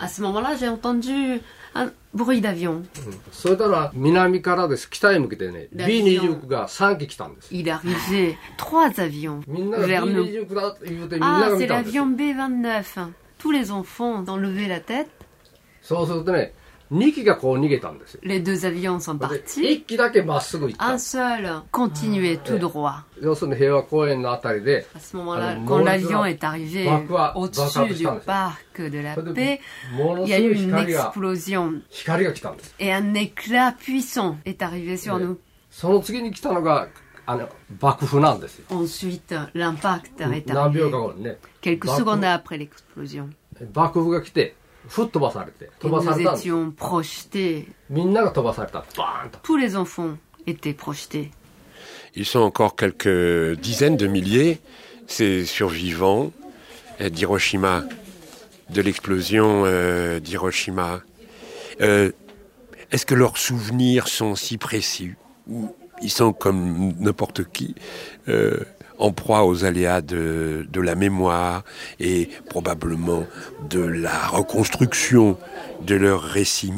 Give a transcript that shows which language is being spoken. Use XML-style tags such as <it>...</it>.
<fr>À ce moment-là, j'ai entendu un bruit d'avion.</fr> <ja>それたら南からです。北へ向けてね、B29 が3機来たんです。</ja> <fr>Il arrivait trois avions vers nous.</fr> <ja>みんなが B29 だって言うてみんなが見たんです。</ja> <fr>Ah, c'est l'avion B29. Tous les enfants ont levé la tête.</fr> <ja>そうするとね、2機がこう逃げたんですよ。</ja> <fr>Les deux avions sont partis.</fr> <ja>1機だけまっすぐ行った。</ja> <fr>Un seul continuait tout droit.</fr> <ja>要するに平和公園のあたりで、</ja> <fr>à ce moment-là, quand l'avion est arrivé au-dessus du parc de la paix, il y a eu une explosion.</fr> <ja>光が来たんです。</ja> <fr>Et un éclat puissant est arrivé sur nous.</fr> <ja>その次に来たのが、爆風なんですよ。</ja> <fr>Ensuite, l'impact est arrivé.</fr> <ja>何秒か後にね。</ja> <fr>Quelques secondes après l'explosion.</fr> <ja>爆風が来て、吹っ飛ばされて、飛ばされたんです。みんなが飛ばされた。バーンと。</ja> <fr>Tous les enfants étaient projetés. Ils sont encore quelques dizaines de milliers, ces survivants d'Hiroshima, de l'explosion d'Hiroshima. Est-ce que leurs souvenirs sont si précis ou ils sont comme n'importe qui en proie aux aléas de la mémoire et probablement de la reconstruction de leur récit.</fr>